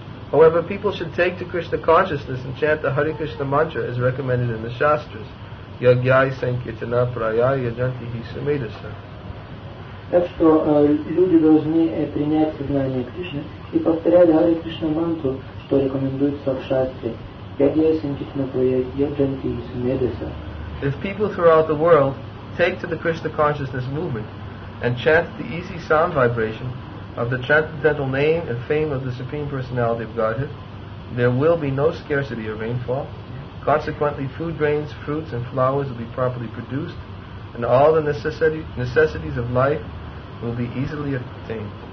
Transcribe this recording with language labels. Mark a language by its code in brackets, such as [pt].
[en] However, people should take to Krishna consciousness and chant the Hare Krishna mantra as recommended in the Shastras, [sa] Ягьяй Санкетина Прая Яджанти Хисамидаса. [ru] Так что люди должны принять сознание Кришны и повторять Харе Кришна мантру, что рекомендуется в шастре. [sa] Ягьяй Санкетина Прая Яджанти Хисамидаса. [en] If people throughout the world take to the Krishna consciousness movement and chant the easy sound vibration of the transcendental name and fame of the Supreme Personality of Godhead, there will be no scarcity of rainfall. Consequently, food grains, fruits, and flowers will be properly produced, and all the necessities of life will be easily attained.